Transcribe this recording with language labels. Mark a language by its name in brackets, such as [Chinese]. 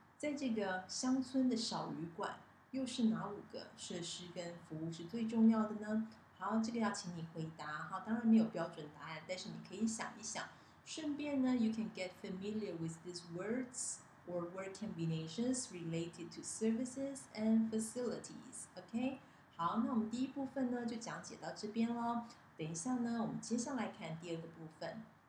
[Chinese] 在这个乡村的小旅馆，又是哪五个设施跟服务是最重要的呢？好，这个要请你回答。好，当然没有标准答案，但是你可以想一想。顺便呢 [English] ，you can get familiar with these words or word combinations related to services and facilities. [Chinese] OK， 好，那我们第一部分呢就讲解到这边喽。等一下呢，我们接下来看第二个部分。